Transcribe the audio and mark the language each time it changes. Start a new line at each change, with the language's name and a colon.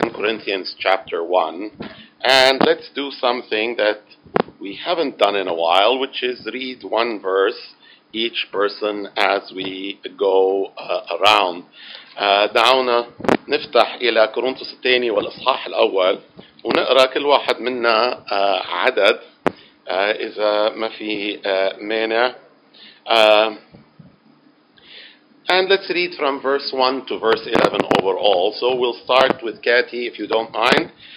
English: Corinthians chapter 1, and let's do something that we haven't done in a while, which is read one verse each person as we go around.
Arabic: دعونا نفتح إلى كورنثوس الثاني والإصحاح الأول ونقرأ كل واحد منا عدد إذا ما في مانع.
English: And let's read from verse 1 to verse 11 overall. So we'll start with Kathy, if you don't mind.